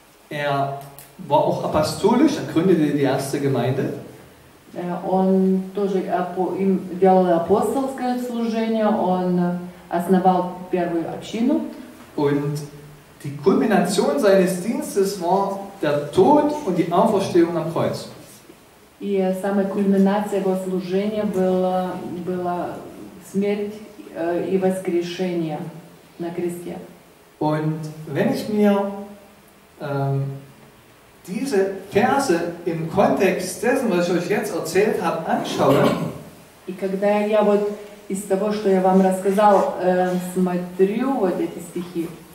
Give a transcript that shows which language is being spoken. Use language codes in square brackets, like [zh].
[de] Er war auch apostolisch, er gründete die erste Gemeinde. [ru] Он тоже делал апостольское служение, он основал первую общину. [de] Und die Kulmination seines Dienstes war der Tod und die Auferstehung am Kreuz. [ru] И самая кульминация его служения была смерть и воскрешение на кресте. [de] Und wenn ich mir diese Verse im Kontext dessen, was ich euch jetzt erzählt habe, anschaue, [ru] и когда я вот из того, что я вам рассказал, смотрю вот эти стихи,